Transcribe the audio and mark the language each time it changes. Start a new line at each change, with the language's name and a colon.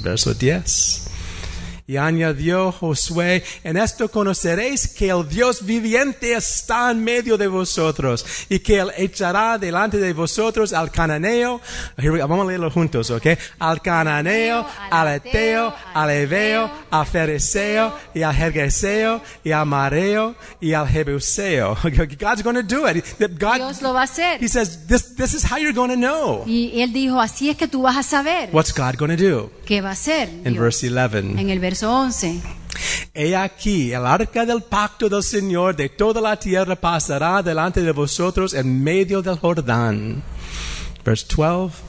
Spanish: Verso 10. Y añadió Josué, en esto conoceréis que el Dios viviente está en medio de vosotros, y que él echará delante de vosotros al cananeo, vamos a leerlo juntos, ok, al cananeo, al eteo, al heveo, al fereseo, y al jergeseo, y al mareo, y al jebuseo.
English: God's going to do it.
Spanish: Dios lo va a hacer.
English: He says, this is how you're going to know.
Spanish: Y él dijo, así es que tú vas a saber.
English: What's God going to do?
Spanish: ¿Qué va a hacer?
English: In verse 11.
Spanish: En el verso 11. He aquí, el arca del pacto del Señor de toda la tierra pasará delante de vosotros en medio del Jordán.
English: Verse 12.